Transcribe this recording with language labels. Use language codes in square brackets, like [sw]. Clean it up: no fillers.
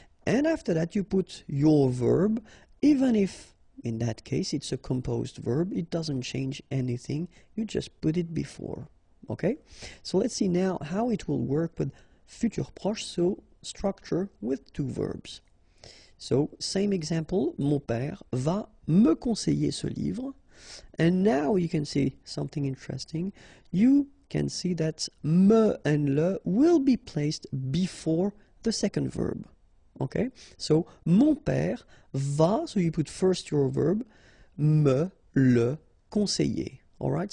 [en] And after that, you put your verb, even if in that case it's a composed verb, it doesn't change anything. You just put it before. Okay, so let's see now how it will work with futur proche, so structure with two verbs. So, same example, [fr] mon père va me conseiller ce livre. [en] And now you can see something interesting. You can see that me and le will be placed before the second verb. Okay? So, [fr] mon père va, [en] so you put first your verb, [fr] me le conseiller. [en] Alright?